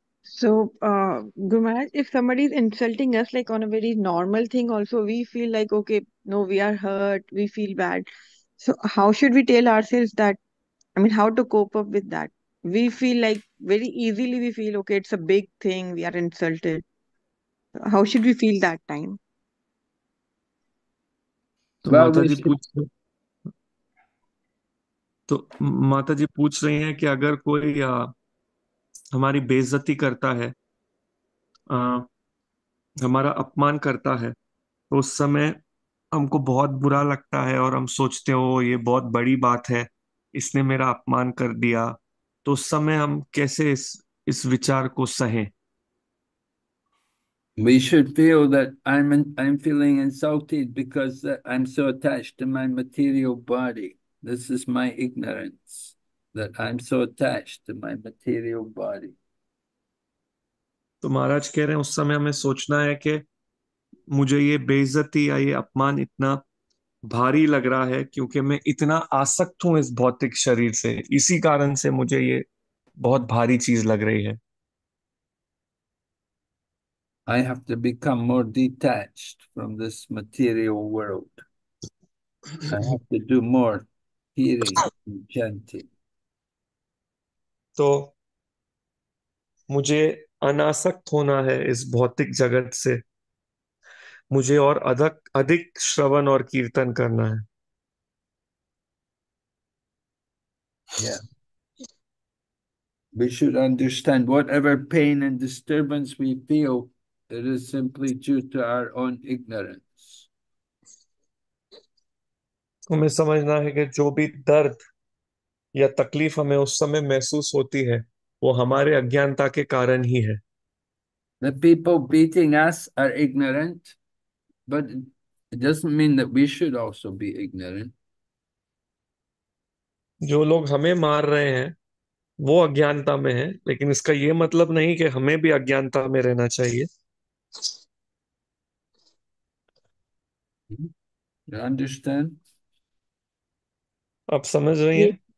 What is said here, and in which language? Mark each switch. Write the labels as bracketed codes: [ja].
[en] So, Guru Maharaj, if somebody is insulting us like on a very normal thing, also we feel like, okay, no, we are hurt, we feel bad. So, how should we tell ourselves that? I mean, how to cope up with that? We feel like very easily we feel, okay, it's a big thing, we are insulted. How should we feel that time? [hi] तो [en] Well, [hi] माता [en] we [hi] ji [en] should. [hi] पूछ रहे तो माता जी पूछ रही हैं कि अगर कोई हमारी बेइज्जती करता है, हमारा अपमान करता है, तो उस समय हमको बहुत बुरा लगता है और हम सोचते हो ये बहुत बड़ी बात है, इसने मेरा अपमान कर दिया, तो उस समय हम कैसे इस विचार को सहें? [en] We should feel that I'm feeling insulted because I'm so attached to my material body. This is my ignorance, that I'm so attached to my material body. [hi] तो महाराज कह रहे हैं उस समय हमें सोचना है कि मुझे ये बेइज्जती या ये अपमान इतना भारी लग रहा है क्योंकि मैं इतना आसक्त हूं इस भौतिक शरीर से, इसी कारण से मुझे ये बहुत भारी चीज लग रही है। [en] I have to become more detached from this material world. I have to do more hearing and chanting. [hi] तो मुझे अनासक्त होना है इस भौतिक जगत से, मुझे और अधिक अधिक श्रवण और कीर्तन करना है। [en] Yeah. We should understand whatever pain and disturbance we feel. It is simply due to our own ignorance. [hi] हमें समझना है कि जो भी दर्द या तकलीफ हमें उस समय महसूस होती है वो हमारे अज्ञानता के कारण ही है। [en] The people beating us are ignorant, but it doesn't mean that we should also be ignorant. [hi] जो लोग हमें मार रहे हैं वो अज्ञानता में है, लेकिन इसका ये मतलब नहीं कि हमें भी अज्ञानता में रहना चाहिए। [en] You understand? [hi] आप समझ रही हैं?